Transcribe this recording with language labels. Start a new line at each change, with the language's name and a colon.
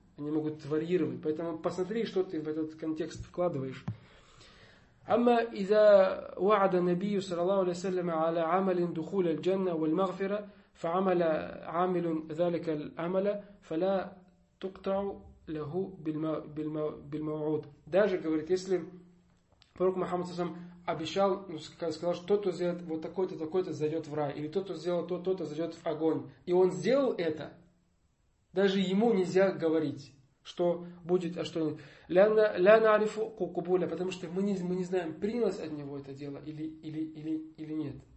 Russian: Они могут варьировать. Поэтому посмотри, что ты в этот контекст вкладываешь.
Arabic: Амма иза ваада набию саллаллаху алейхи ва саллям аля амалин духуля аль-джанна валь-магфира. فعمل عامل ذلك العمل فلا تقطع له بالموعود.
Russian: Даже говорит, если пророк Мухаммад саллаллаху обещал, сказал, что тот, кто сделает вот такой-то, такой-то, зайдет в рай. Или тот, кто сделал то, тот зайдет в огонь. И он сделал это. Даже ему нельзя говорить, что будет, а что нет.
Arabic: «Ля нарифу кукубуля»,
Russian: потому что мы не знаем, принялось от него это дело или нет.